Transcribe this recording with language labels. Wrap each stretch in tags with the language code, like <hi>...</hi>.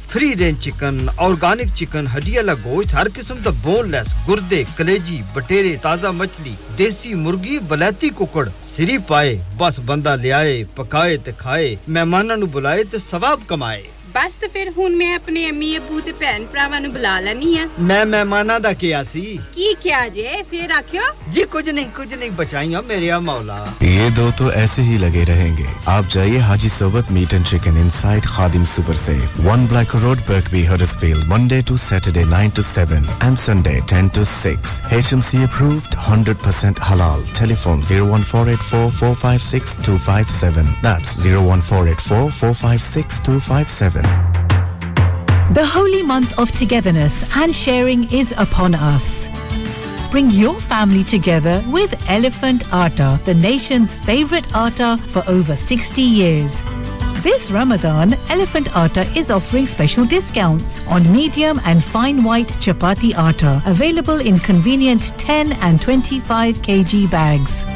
<pa>Free range chicken organic chicken ہڈی والا گوشت ہر قسم دا بون لیس گردے کلیجی بٹیرے تازہ مچھلی دیسی مرغی بلیتی ککڑ سری پائے بس بندہ لیائے پکائے تے کھائے مہماناں نوں بلائے تے ثواب کمائے بس تے پھر ہن میں اپنے امی ابو تے بہن پراواں نوں بلا لینی ہاں میں مہماناں دا کیا سی کی کیا جے پھر آکھیو جی کچھ نہیں بچائیو میرے آ مولا</pa> <ur>یہ دو تو ایسے ہی لگے رہیں گے آپ جائیے حاجی سوبت meat and chicken inside Khadim super سے ون بلیک روڈ برک بھی ہرسفیل</ur> <en>Monday to Saturday 9 to 7 and Sunday 10 to 6</en> <ur>H M C approved 100% حلال ٹیلی phone 01484456257 that's 01484456257</ur> <en>The holy month of togetherness and sharing is upon us. Bring your family together with Elephant Atta, the nation's favorite atta for over 60 years. This Ramadan, Elephant Atta is offering special discounts on medium and fine white chapati atta, available in convenient 10 and 25 kg bags.</en>